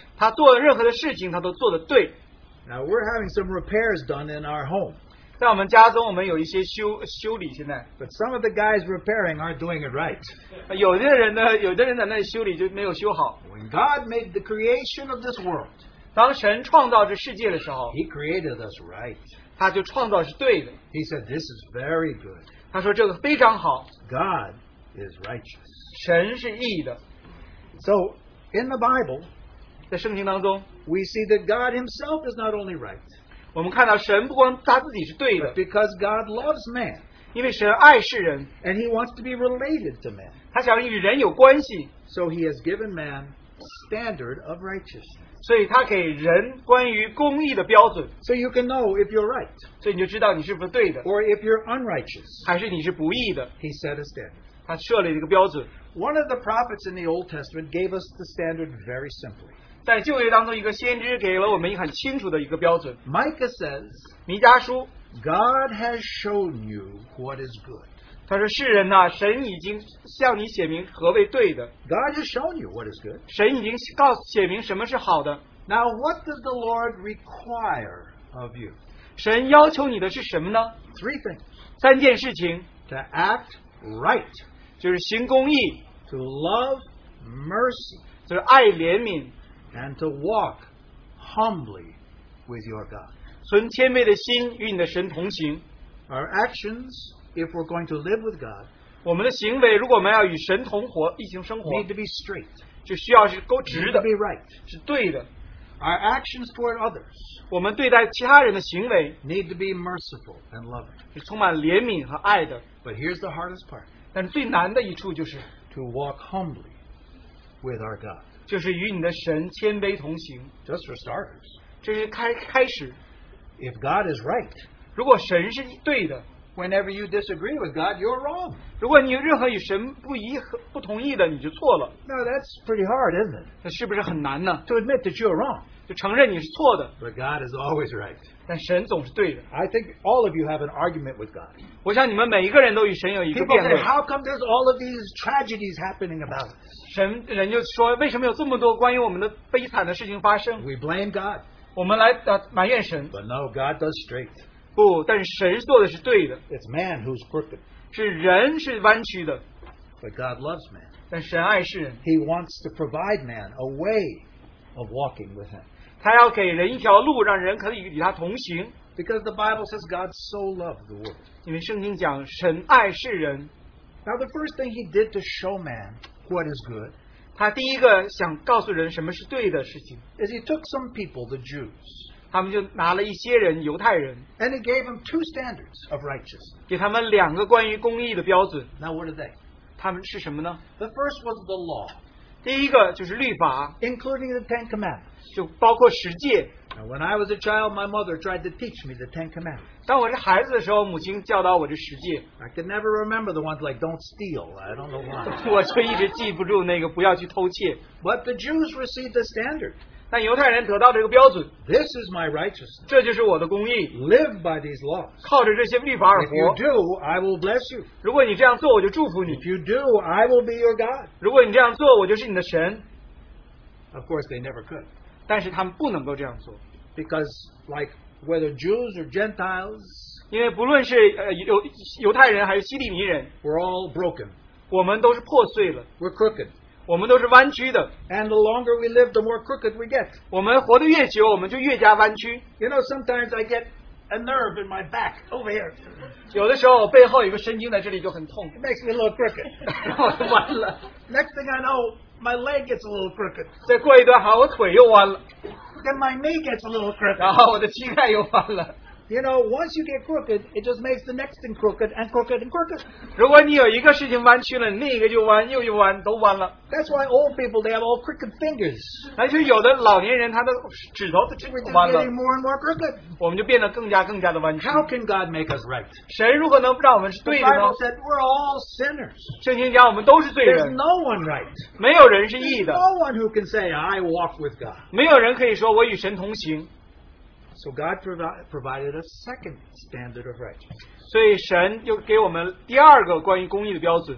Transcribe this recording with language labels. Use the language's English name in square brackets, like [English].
[Chinese] 他做任何的事情他都做得对。 [English] Now we're having some repairs done in our home. [Chinese] 在我们家中我们有一些修理现在 [English] But some of the guys repairing aren't doing it right. [Chinese] 有的人在那里修理就没有修好 [English] When God made the creation of this world, [Chinese] 当神创造这世界的时候 [English] He created us right. [Chinese] 他就创造是对的 [English] He said this is very good. [Chinese] 他说这个非常好 [English] God is righteous. [Chinese] 神是义的 [English] So in the Bible, [Chinese] 在圣经当中, [English] we see that God himself is not only right, [Chinese] 我们看到神不光他自己是对的, [English] but because God loves man, [Chinese] 因为神爱世人, [English] and he wants to be related to man. [Chinese] 他想与人有关系, [English] so he has given man standard of righteousness. [Chinese] 所以他给人关于公义的标准, [English] so you can know if you're right, [Chinese] 所以你就知道你是不是对的, [English] or if you're unrighteous, [Chinese] 还是你是不义的, [English] he set a standard. [Chinese] 他设立了一个标准, [English] One of the prophets in the Old Testament gave us the standard very simply. Micah says, [Chinese] 弥迦书, [English] God has shown you what is good. [Chinese] 他说世人啊, [English] God has shown you what is good. [Chinese] 神已经告诉, [English] now what does the Lord require of you? [Chinese] 神要求你的是什么呢? [English] Three things. [Chinese] 三件事情, [English] to act right. [Chinese] 就是行公义, [English] to love mercy, [Chinese] 就是爱怜悯, [English] and to walk humbly with your God. [Chinese] 存谦卑的心与你的神同行, [English] our actions, if we're going to live with God, [Chinese] 我们的行为如果我们要与神同活, 一行生活, [English] need to be straight, [Chinese] 就需要是勾直的, [English] need to be right, [Chinese] 是对的, [English] our actions toward others, [Chinese] 我们对待其他人的行为, [English] need to be merciful and loving, [Chinese] 是充满怜悯和爱的, [English] but here's the hardest part, [Chinese] 但最难的一处就是, [English] to walk humbly with our God. [Chinese] 就是与你的神谦卑同行, [English] just for starters. [Chinese] 这是开始, [English] if God is right, [Chinese] 如果神是对的, [English] whenever you disagree with God, you're wrong. [Chinese] 如果你任何与神不同意的, [English] now that's pretty hard, isn't it? [Chinese] 那是不是很难呢? [English] To admit that you're wrong. [Chinese] 就承认你是错的, [English] but God is always right. [Chinese] 但神总是对的, [English] I think all of you have an argument with God. [Chinese] 我想你们每一个人都与神有一个辩论, [English] people say, how come there's all of these tragedies happening about us? [Chinese] 神人就说, 为什么有这么多关于我们的悲惨的事情发生? [English] We blame God. [Chinese] 我们来埋怨神, [English] but no, God does straight. [Chinese] 不, 但神做的是对的, [English] it's man who's crooked. [Chinese] 是人是弯曲的, [English] but God loves man. [Chinese] 但神爱世人, [English] he wants to provide man a way of walking with him. [Chinese] 他要给人一条路, 让人可以与他同行, [English] because the Bible says God so loved the world. [Chinese] 因为圣经讲神爱世人, [English] now the first thing he did to show man what is good, [Chinese] 他第一个想告诉人什么是对的事情, [English] is he took some people, the Jews, [Chinese] 他们就拿了一些人, 犹太人, [English] and he gave them two standards of righteousness. [Chinese] 给他们两个关于公义的标准, [English] now what are they? [Chinese] 他们是什么呢? [English] The first was the law, [Chinese] 第一个就是律法, [English] including the Ten Commandments. [Chinese] 就包括十诫, [English] now when I was a child, my mother tried to teach me the Ten Commandments. [Chinese] 当我是孩子的时候,母亲教导我这十诫, [English] I could never remember the ones like don't steal. I don't know why. [Chinese] 我却一直记不住那个不要去偷窃, [English] but the Jews received the standard. [Chinese] 但犹太人得到这个标准, [English] this is my righteousness. [Chinese] 这就是我的公义, [English] live by these laws. [Chinese] 靠着这些律法而活, [English] if you do, I will bless you. [Chinese] 如果你这样做, 我就祝福你, [English] if you do, I will be your God. [Chinese] 如果你这样做, 我就是你的神, [English] of course they never could. [Chinese] 但是他们不能够这样做, [English] because like whether Jews or Gentiles, [Chinese] 因为不论是, 犹太人还是希利尼人, [English] we're all broken. [Chinese] 我们都是破碎了, [English] we're crooked. [Chinese] 我们都是弯曲的, [English] and the longer we live, the more crooked we get. [Chinese] 我们活得越久, 我们就越加弯曲, [English] you know, sometimes I get a nerve in my back over here. [Chinese] 有的时候背后有个神经在这里就很痛, [English] it makes me a little crooked. [Chinese] 然后弯了, [English] next thing I know, my leg gets a little crooked. [Chinese] 再过一段好, 我腿又弯了, [English] then my knee gets a little crooked. [Chinese] 然后我的膝盖又弯了, [English] you know, once you get crooked, it just makes the next thing crooked and crooked and crooked. [Chinese] 如果你有一个事情弯曲了, 另一个就弯, 又一弯, 都弯了. [English] That's why old people, they have all crooked fingers. [Chinese] 那就有的老年人, 他的指头指弯了, [English] we're just getting more and more crooked. [Chinese] 我们就变得更加更加的弯曲。 [English] How can God make us right? [Chinese] 谁如何能让我们是对的呢? [English] The Bible said we're all sinners. [Chinese] 圣经讲我们都是罪人。 [English] There's no one right. [Chinese] 没有人是义的。 [English] There's no one who can say, I walk with God. [Chinese] 没有人可以说我与神同行。 [English] So God provided a second standard of righteousness. [Chinese] 所以神又给我们第二个关于公义的标准。